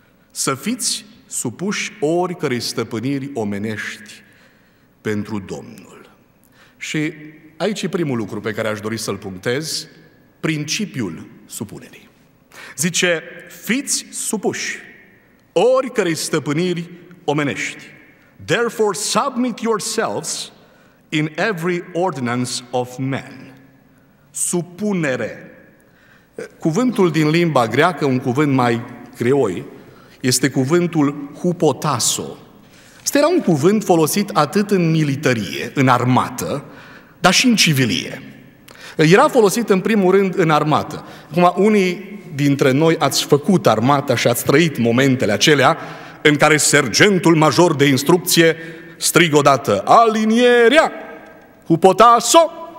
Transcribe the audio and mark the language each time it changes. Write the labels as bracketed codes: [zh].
[ro] Să fiți supuși oricărei stăpâniri omenești pentru Domnul. Și aici e primul lucru pe care aș dori să-l punctez, principiul supunerii. Zice, fiți supuși oricărei stăpâniri omenești. [en] Therefore, submit yourselves in every ordinance of man. [ro] Supunere. Cuvântul din limba greacă, un cuvânt mai greoi, este cuvântul hupotasso. Asta era un cuvânt folosit atât în militarie, în armată, dar și în civilie. Era folosit în primul rând în armată. Acum, unii dintre noi ați făcut armata și ați trăit momentele acelea în care sergentul major de instrucție strigă odată, alinierea, hupotasso!